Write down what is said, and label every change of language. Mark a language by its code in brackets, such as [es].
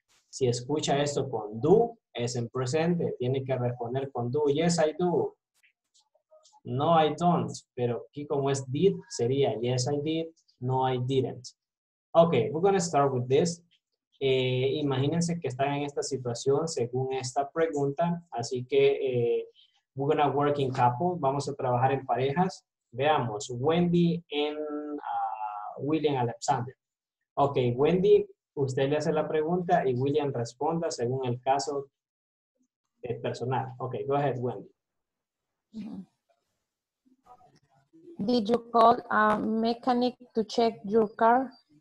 [es] Si escucha esto con do, es en presente. Tiene que responder con do. [en] Yes, I do. No, I don't. [es] Pero aquí como es did, sería [en] yes, I did. No, I didn't. Ok, we're going to start with this. [es] Imagínense que están en esta situación según esta pregunta. Así que [en] we're going to work in couples. [es] Vamos a trabajar en parejas. Veamos. Wendy and William Alexander. Ok, Wendy, usted le hace la pregunta y William responda según el caso personal. [en] Ok, go ahead, Wendy. Did you call a mechanic to check your car?